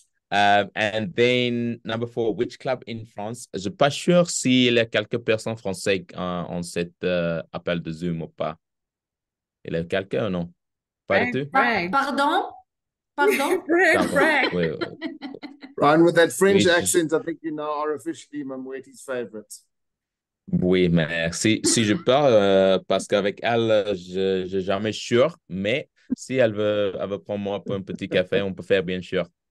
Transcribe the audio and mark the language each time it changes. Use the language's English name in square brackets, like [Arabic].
[English] And then number four, which club in France? [French] Je suis pas sûr si il y a quelques personnes français en cet appel de Zoom ou pas. Il y a quelqu'un ou non? Pas du tout. Pardon. [English] Ryan, with that French accent, I think you now are officially Mamweti's favorite. [French] Oui, merci. Si je parle, parce qu'avec elle, je n'ai jamais sûr, mais si elle veut prendre moi pour un petit café, on peut faire bien sûr.